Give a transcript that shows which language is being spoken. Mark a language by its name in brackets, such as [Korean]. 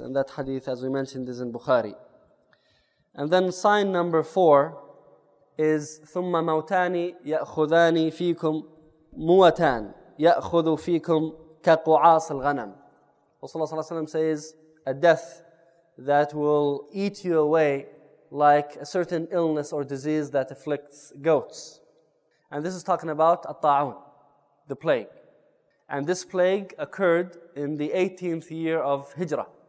[English] And that hadith, as we mentioned, is in Bukhari. And then sign number four is [Arabic] ثُمَّ مَوْتَانِ يَأْخُذَانِ فِيكُمْ مُوَتَانِ يَأْخُذُ فِيكُمْ كقعاص الغنم. [English] Rasulullah صلى الله عليه وسلم says, a death that will eat you away like a certain illness or disease that afflicts goats. And this is talking about الطاعون, the plague. And this plague occurred in the 18th year of Hijrah.